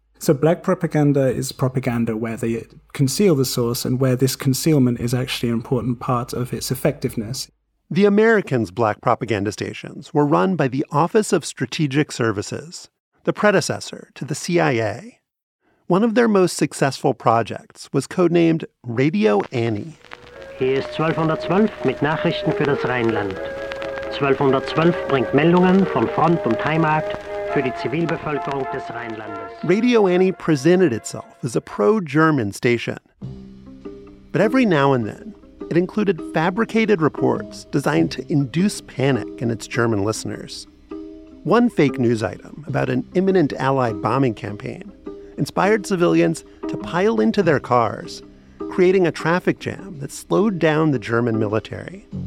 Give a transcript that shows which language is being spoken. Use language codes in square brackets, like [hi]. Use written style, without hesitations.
[en] So black propaganda is propaganda where they conceal the source and where this concealment is actually an important part of its effectiveness. The Americans' black propaganda stations were run by the Office of Strategic Services, the predecessor to the CIA. One of their most successful projects was codenamed Radio Annie. [de] Hier ist 1212 mit Nachrichten für das Rheinland. 1212 bringt Meldungen von Front und Heimat für die Zivilbevölkerung des Rheinlandes. [en] Radio Annie presented itself as a pro-German station. But every now and then, it included fabricated reports designed to induce panic in its German listeners. One fake news item about an imminent Allied bombing campaign inspired civilians to pile into their cars, creating a traffic jam that slowed down the German military.